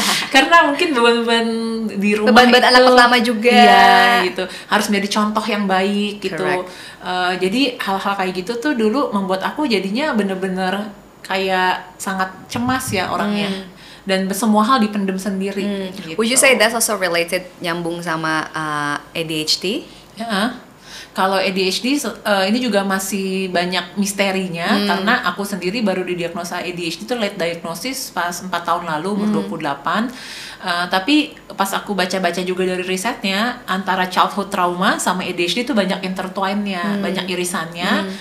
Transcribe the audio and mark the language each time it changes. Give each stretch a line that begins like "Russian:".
Indonesian: Karena mungkin beban-beban di rumah, beban-beban anak pertama juga, gitu. Harus menjadi contoh yang baik gitu. Jadi hal-hal kayak gitu tuh dulu membuat aku jadinya bener-bener kayak sangat cemas ya orangnya. Dan semua hal dipendam sendiri. Gitu.
English: Would you say that's also related,
Indonesian: nyambung sama
English: ADHD?
Indonesian: Kalau ADHD ini juga masih banyak misterinya, karena aku sendiri baru didiagnosa ADHD itu late diagnosis pas 4 tahun lalu, umur 28. Tapi pas aku baca-baca juga dari risetnya, antara childhood trauma sama ADHD itu banyak intertwine-nya, banyak irisannya.